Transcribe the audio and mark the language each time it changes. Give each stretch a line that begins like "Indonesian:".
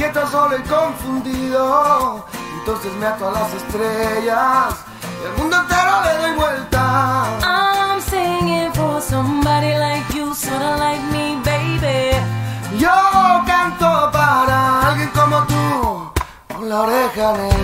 Spanish: Solo y confundido, entonces me ato a las estrellas, el mundo entero le doy vuelta.
English: I'm singing for somebody like you, sort of like me, baby.
Spanish: Yo canto para alguien como tú, con la oreja en el